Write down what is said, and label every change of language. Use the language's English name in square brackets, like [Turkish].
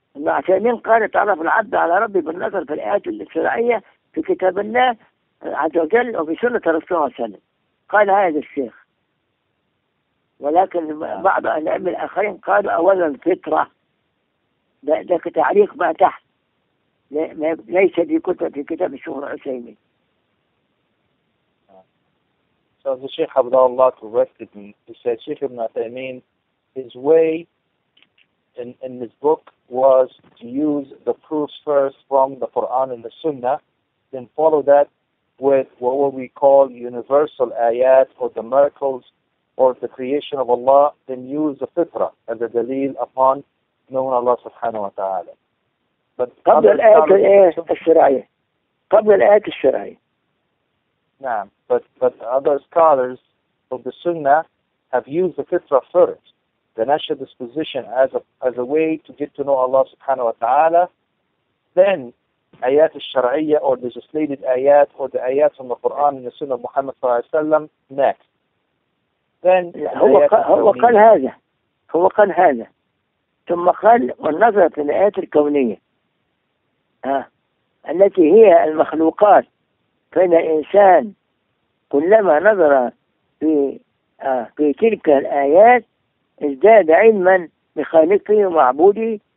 [Arabic] ابن عثيمين قال تعرف العبد على ربي بالنظر في الآيات الشرعية في كتاب الله عز وجل وفي سنة رسول الله صلى الله قال هذا الشيخ ولكن بعض الأئمة الآخرين قالوا أولا الفطرة ده كتعليق ما تحت ليس في كتب في كتاب الشيخ العثيمين [English] So the Sheikh Abdullah corrected me. He said, Sheikh Ibn Athaymeen, his way in his book was to use the proofs first from the Quran and the Sunnah, then follow that with what we call universal ayat or the miracles or the creation of Allah, then use the fitrah as a dalil upon knowing Allah subhanahu wa ta'ala. [Arabic] But قبل الآيات الشرعية قبل الآيات الشرعية [English] نعم but other scholars of the Sunnah have used the fitrah first, the natural disposition as a way to get to know Allah subhanahu wa ta'ala, then [Arabic] آيات الشرعية [English] or legislated آيات or the آيات from the Quran and the Sunnah of Muhammad صلى الله عليه وسلم next. Then [Arabic] هو قال هذا ثم قال والنظرة الآيات الكونية التي هي المخلوقات، فإن الإنسان كلما نظر في تلك الآيات ازداد علما بخالقه ومعبوده.